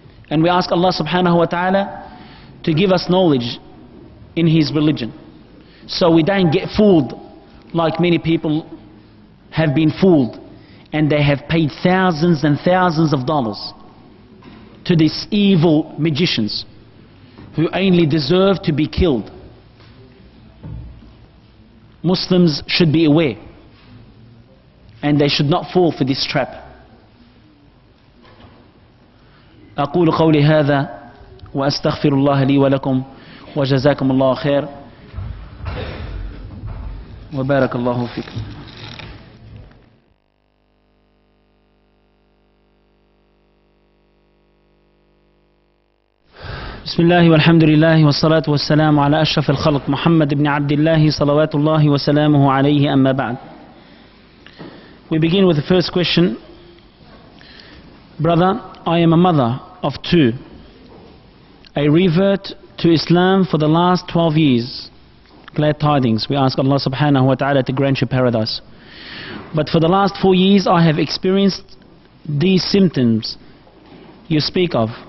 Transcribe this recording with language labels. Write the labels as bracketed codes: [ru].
[en] And we ask Allah subhanahu wa ta'ala to give us knowledge in His religion, so we don't get fooled like many people have been fooled, and they have paid thousands and thousands of dollars to these evil magicians who only deserve to be killed. Muslims should be aware, and they should not fall for this trap. [ar] أقول قولي هذا وأستغفر الله لي ولكم وجزاكم الله خير وبارك الله فيكم. بسم الله والحمد لله والصلاة والسلام على أشرف الخلق محمد بن عبد الله صلوات الله وسلامه عليه أما بعد. [en] We begin with the first question. Brother, I am a mother of two. I revert to Islam for the last 12 years. Glad tidings. We ask Allah subhanahu wa ta'ala to grant you paradise. But for the last 4 years I have experienced these symptoms you speak of.